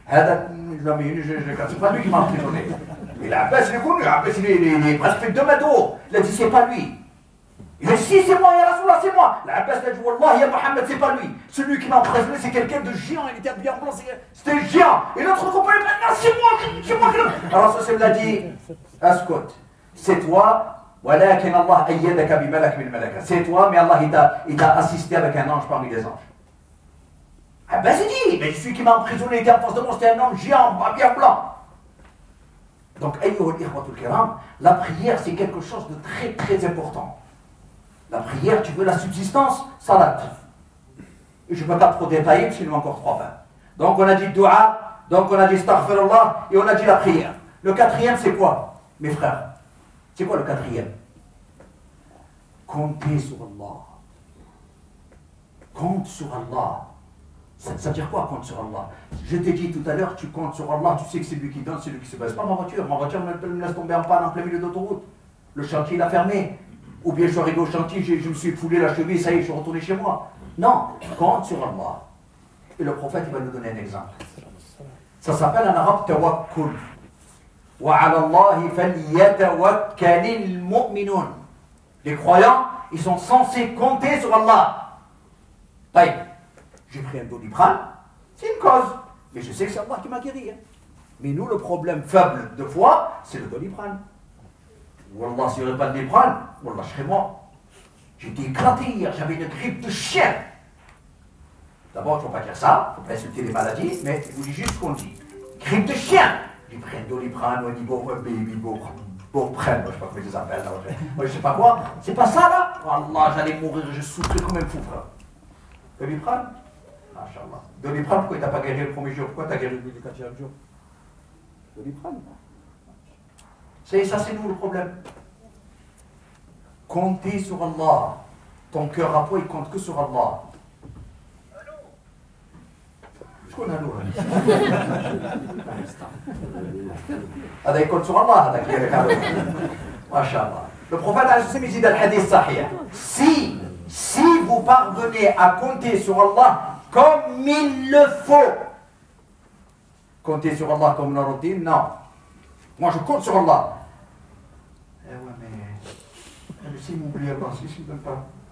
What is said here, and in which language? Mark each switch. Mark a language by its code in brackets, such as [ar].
[fr] C'est pas lui qui m'a emprisonné. Et l'Abbas, il est connu, l'Abbas, il est presque fait 2 mètres de haut. Il a dit, c'est pas lui. Il a dit, si, c'est moi, ya Rasulallah, c'est moi. L'Abbas, il a dit, wallah, ya Mohammed, c'est pas lui. Celui qui m'a emprisonné, c'est quelqu'un de géant, il était habillé en blanc, c'était un géant. Et l'autre compagnon, il a dit, non, c'est moi. Alors, ça, il a dit, Ascot, c'est toi. [ar] ولكن الله أيدك بملك من الملائكة. [fr] C'est toi, mais Allah t'a assisté avec un ange parmi les anges. Ah ben c'est dit, mais celui qui m'a emprisonné était en face de moi, c'était un homme géant, bien blanc. Donc, [ar] ayyuhal ikhwatul kiram, [fr] la prière c'est quelque chose de très très important. La prière, tu veux la subsistance, salat. Je ne peux pas trop détailler, sinon encore 3 fois. Donc on a dit dua, donc on a dit astaghfirullah, et on a dit la prière. Le quatrième c'est quoi, mes frères? C'est quoi le quatrième? Comptez sur Allah. Compte sur Allah. Ça veut dire quoi, compte sur Allah? Je t'ai dit tout à l'heure, tu comptes sur Allah, tu sais que c'est lui qui donne, c'est lui qui se base. C'est pas ma voiture me laisse tomber en panne en plein milieu d'autoroute. Le chantier, il a fermé. Ou bien je suis arrivé au chantier, je me suis foulé la cheville, ça y est, je suis retourné chez moi. Non, compte sur Allah. Et le prophète, il va nous donner un exemple. Ça s'appelle en arabe, tawakkul. [ar] وعلى الله فليتوكل المؤمنون. [fr] Les croyants, ils sont censés compter sur Allah. Taïb, j'ai pris un doliprane, c'est une cause. Mais je sais que c'est Allah qui m'a guéri. Hein. Mais nous, le problème faible de foi, c'est le doliprane. Wallah, s'il n'y aurait pas de doliprane, Wallah, je serais mort. J'étais éclaté hier, j'avais une grippe de chien. D'abord, il ne faut pas dire ça, il ne faut pas insulter les maladies, mais je vous dis juste ce qu'on dit. Grippe de chien! J'ai pris un doliprane, on dit je sais pas comment ils appellent, je sais pas quoi, c'est pas ça là. Wallah, j'allais mourir, je souffrais comme un fou, frère. Doliprane? Mashallah. Doliprane, pourquoi t'as pas guéri le premier jour? Pourquoi t'as guéri le 4e jour? Doliprane? C'est ça, c'est nous le problème. Comptez sur Allah. Ton cœur à poids, il compte que sur Allah. [ar] هذا يكون سوى الله هذا كبير ما شاء الله. [fr] Le prophète a aussi dit dans le hadith sahih, si vous parvenez à compter sur Allah comme il le faut, compter sur Allah comme une routine, non. Moi je compte sur Allah. Mais si m'oublie pas, si je ne donne pas.